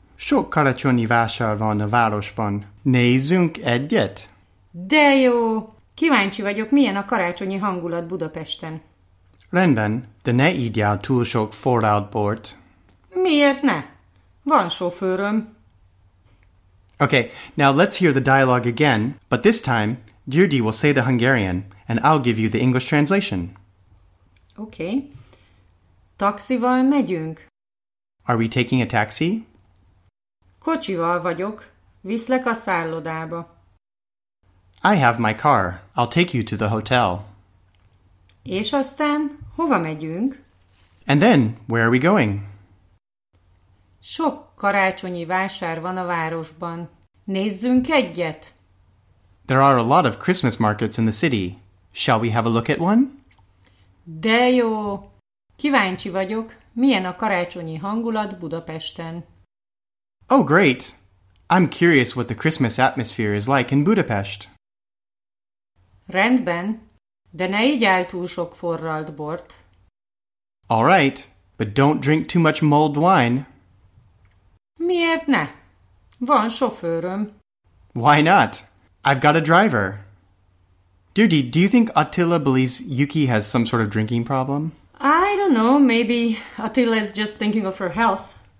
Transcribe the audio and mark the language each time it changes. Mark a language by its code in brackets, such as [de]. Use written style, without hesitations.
[hu] Sok karácsonyi vásár van a városban. Nézzünk egyet? De jó! Kíváncsi vagyok, milyen a karácsonyi hangulat Budapesten. Rendben, de ne ígyál túl sok forrált bort. Miért ne? Van sofőröm. [en] Okay, now let's hear the dialogue again, but this time, Györgyi will say the Hungarian, and I'll give you the English translation. [hu] Okay. Taxival megyünk. [en] Are we taking a taxi? [hu] Kocsival vagyok. Viszlek a szállodába. [en] I have my car. I'll take you to the hotel. [hu] És aztán hova megyünk? [en] And then, where are we going? [hu] Sok karácsonyi vásár van a városban. Nézzünk egyet! [en] There are a lot of Christmas markets in the city. Shall we have a look at one? [hu] De jó! Kíváncsi vagyok, milyen a karácsonyi hangulat Budapesten. [en] Oh, great! I'm curious what the Christmas atmosphere is like in Budapest. [hu] Rendben, de ne igyál túl sok forralt bort. [en] All right, but don't drink too much mulled wine. [hu] Miért ne? Van sofőröm. [en] Why not? I've got a driver. Dirty, do you think Attila believes Yuki has some sort of drinking problem? I don't know, maybe Attila is just thinking of her health.